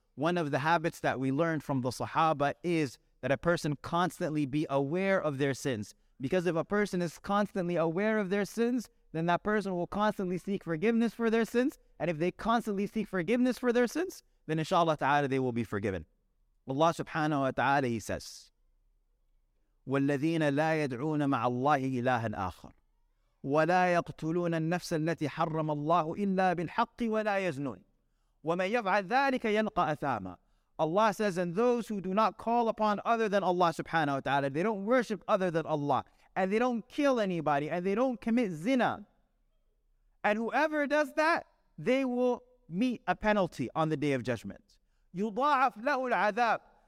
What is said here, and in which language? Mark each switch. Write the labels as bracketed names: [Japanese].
[English] One of the habits that we learned from the Sahaba is that a person constantly be aware of their sins. Because if a person is constantly aware of their sins, then that person will constantly seek forgiveness for their sins. And if they constantly seek forgiveness for their sins, then inshallah ta'ala they will be forgiven. [Arabic] Allah subhanahu wa ta'ala, he says, وَالَّذِينَ لَا يَدْعُونَ مَعَ اللَّهِ إِلَٰهًا آخَرٌ وَلَا يَقْتُلُونَ النَّفْسَ الَّتِي حَرَّمَ اللَّهُ إِلَّا بِالْحَقِّ وَلَا يَزْنُونَ وَمَنْ يَفْعَلْ ذَلِكَ يَلْقَ أَثَامًا. [English] Allah says, and those who do not call upon other than Allah subhanahu wa ta'ala, they don't worship other than Allah, and they don't kill anybody, and they don't commit zina, and whoever does that, they will meet a penalty on the Day of Judgment. [Arabic] يُضَاعَفْ لَهُ الْعَذَابِ.